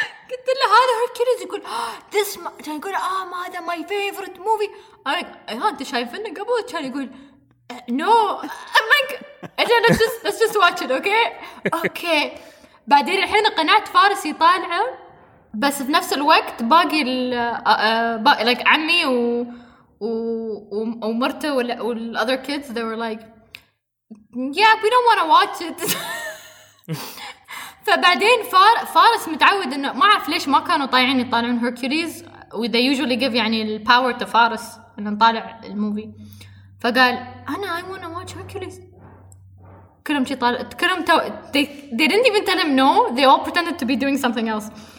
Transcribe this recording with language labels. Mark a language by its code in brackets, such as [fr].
[ar] قلت له هذا هيركليز يقول [en] this [ar] كان يقول هذا [en] my favorite movie. I'm like [ar] أنت شايفينه قبل كان يقول [en] no. I'm like let's just watch it okay. [ar] بعدين الحين قنعت فارس يطالعه بس في نفس الوقت باقي [en] like [ar] عمي ومرته وال [en] other kids they were like yeah we don't want to watch it. [ar] فبعدين فارس متعود انه ما اعرف ليش ما كانوا طايعين يطالعون هيركليز و [en] they usually give [ar] يعني الباور تو فارس انه نطالع الموفي. فقال انا [en] I want to watch Hercules. [ar] كلهم شي طالع كلهم [en] they didn't even tell him no they all pretended to be doing something else.